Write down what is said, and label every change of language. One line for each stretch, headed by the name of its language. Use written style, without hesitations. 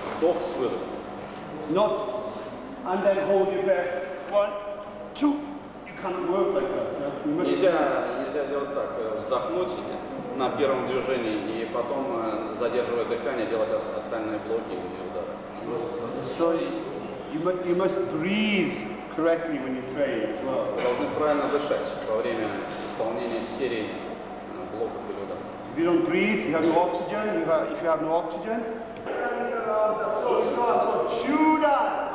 Russian: Вдох с выдохом.
English: Not. And then hold your breath. One, two. You can't work like that.
Russian: Нельзя делать так. Вздохнуть на первом движении и потом, задерживая дыхание, делать остальные блоки и удары.
English: So you must breathe correctly when you train as well.
Russian: Должны правильно дышать во время исполнения серии блоков или ударов.
English: If you don't breathe, you have no oxygen. If you have no oxygen, so chew that.